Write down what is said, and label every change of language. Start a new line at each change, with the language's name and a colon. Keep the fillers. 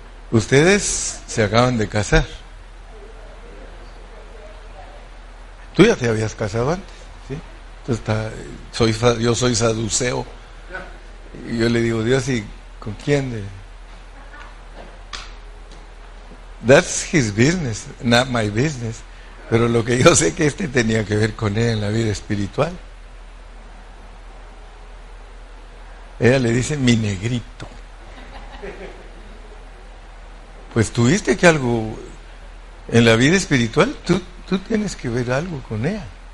Spanish: Ustedes se acaban de casar. Tú ya te habías casado antes, ¿sí? Entonces está, soy, yo soy saduceo. Y yo le digo, Dios, ¿y con quién? De?
English: That's his business, not my business.
Spanish: Pero lo que yo sé que este tenía que ver con él en la vida espiritual. Ella le dice mi negrito. Pues tuviste que algo en la vida espiritual, tú, tú tienes que ver algo con ella.